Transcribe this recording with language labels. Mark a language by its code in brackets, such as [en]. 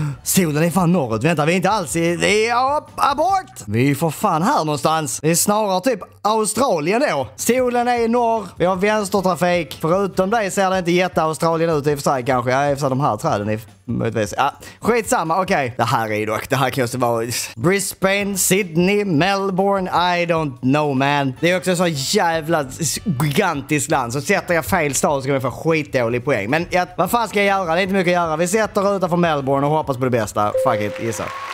[sv] Solen är fan norrut. Vänta, vi är inte alls i... Det är abort! Vi är för fan här någonstans. Det är snarare typ Australien då. Solen är i norr. Vi har vänstertrafik. Förutom det ser det inte jätteaustralien ut i och för sig kanske. Ja, eftersom de här träden är... Möjligtvis. Ja, skitsamma, okej. Okay. Det här är dock, det här kan ju vara... [en] Brisbane, Sydney, Melbourne, I don't know man. [sv] Det är också så jävla gigantiskt land. Så sätter jag fel stad så kommer jag få skitdålig poäng. Men ja, vad fan ska jag göra? Det är inte mycket att göra. Vi sätter utanför Melbourne och hoppas på det bästa. Fuck it, gissa.